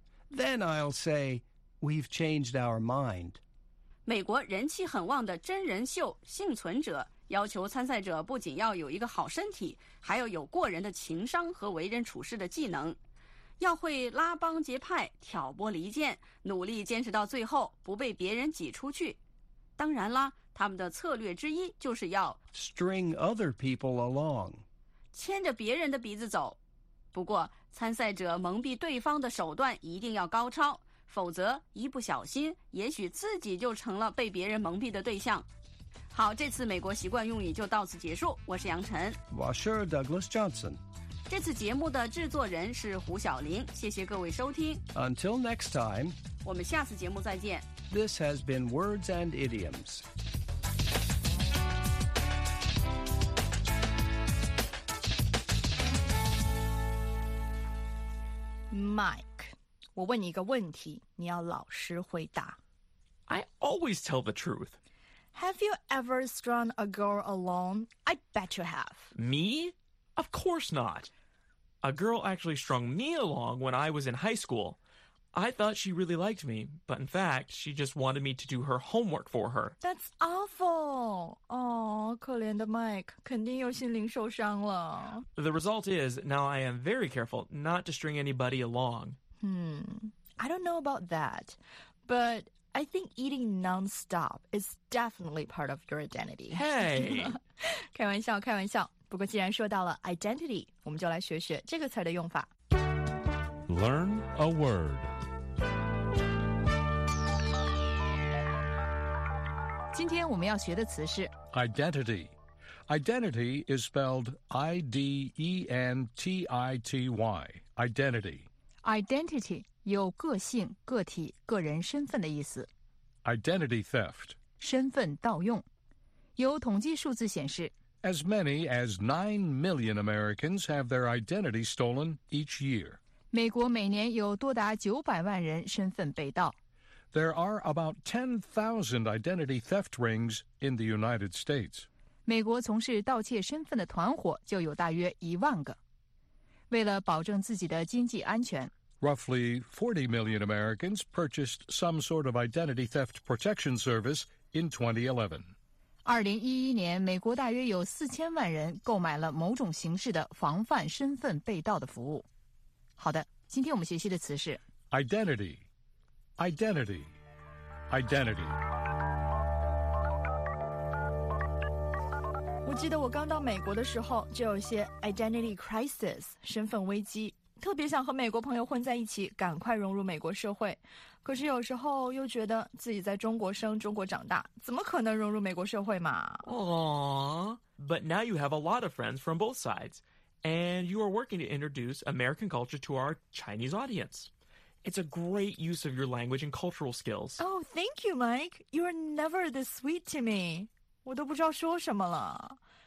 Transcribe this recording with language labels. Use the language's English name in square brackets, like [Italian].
[English] Then I'll say, we've changed our mind. [Chinese] 美国人气很旺的真人秀《幸存者》要求参赛者不仅要有一个好身体，还有过人的情商和为人处事的技能，要会拉帮结派、挑拨离间，努力坚持到最后，不被别人挤出去。当然啦，他们的策略之一就是要 [English] string other people along， [Chinese] 牵着别人的鼻子走。不过，参赛者蒙蔽对方的手段一定要高超，否则一不小心，也许自己就成了被别人蒙蔽的对象。好，这次美国习惯用语就到此结束。我是杨晨。 [English] Washer Douglas Johnson。 [Chinese] 这次节目的制作人是胡晓玲。谢谢各位收听。 [English] Until next time。 [Chinese] 我们下次节目再见。 [English] This has been Words and Idioms. [Chinese] Mike, 我问你一个问题，你要老实回答。 [English] I always tell the truth. Have you ever strung a girl along? I bet you have. Me? Of course not. A girl actually strung me along when I was in high school. I thought she really liked me, but in fact, she just wanted me to do her homework for her. That's awful. [Chinese] Aw, 可怜的 Mike, 肯定又心灵受伤了。 [English] The result is, now I am very careful not to string anybody along. I don't know about that, but... I think eating non-stop is definitely part of your identity. Hey! [Chinese] 开玩笑，开玩笑。不过既然说到了 identity, 我们就来学学这个词的用法。 [English] Learn a word. [Chinese] 今天我们要学的词是 [English] identity. Identity is spelled I-D-E-N-T-I-T-Y. Identity. [Chinese] Identity, 有个性、个体、个人身份的意思。 [English] Identity theft. [Chinese] 身份盗用。有统计数字显示 [English] As many as 9 million Americans have their identity stolen each year. [Chinese] 美国每年有多达900万人身份被盗。 [English] There are about 10,000 identity theft rings in the United States. [Chinese] 美国从事盗窃身份的团伙就有大约1万个。为了保证自己的经济安全 [English] Roughly 40 million Americans purchased some sort of identity theft protection service in 2011. [Chinese] 2011年，美国大约有4000万人购买了某种形式的防范身份被盗的服务。好的，今天我们学习的词是 [English] identity, identity, identity。 [Chinese] 我记得我刚到美国的时候，就有些 identity crisis, 身份危机，特别想和美国朋友混在一起，赶快融入美国社会。可是有时候又觉得自己在中国生、中国长大，怎么可能融入美国社会嘛？ [English] Aww, but now you have a lot of friends from both sides, and you are working to introduce American culture to our Chinese audience. It's a great use of your language and cultural skills. Oh, thank you, Mike. You are never this sweet to me. [Chinese] 我都不知道说什么了。